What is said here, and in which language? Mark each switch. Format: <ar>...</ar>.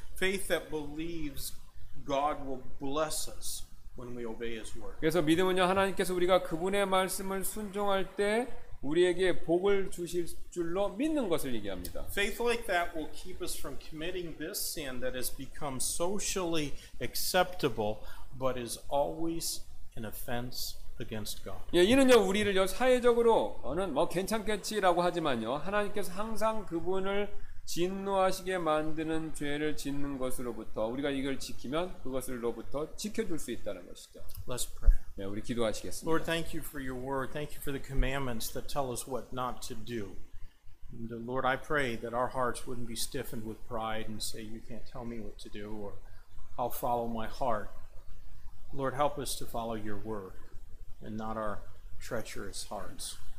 <en>Faith that believes God will bless us when we obey His word.</en> <ko>그래서 믿음은요, 하나님께서 우리가 그분의 말씀을 순종할 때 우리에게 복을 주실 줄로 믿는 것을 얘기합니다.</ko> <en>Faith like that will keep us from committing this sin that has become socially acceptable, but is always an offense. Against God.</en> <ko>예, 이는요 우리를요 사회적으로는 뭐 괜찮겠지라고 하지만요 하나님께서 항상 그분을 진노하시게 만드는 죄를 짓는 것으로부터 우리가 이걸 지키면 그것으로부터 지켜줄 수 있다는 것이죠.</ko> <en>Let's pray.</en> <ko>예, 우리 기도하시겠습니다.</ko> <en>Lord, thank you for your word. Thank you for the commandments that tell us what not to do. And Lord, I pray that our hearts wouldn't be stiffened with pride and say, "You can't tell me what to do," or "I'll follow my heart." Lord, help us to follow your word. And not our treacherous hearts.</en>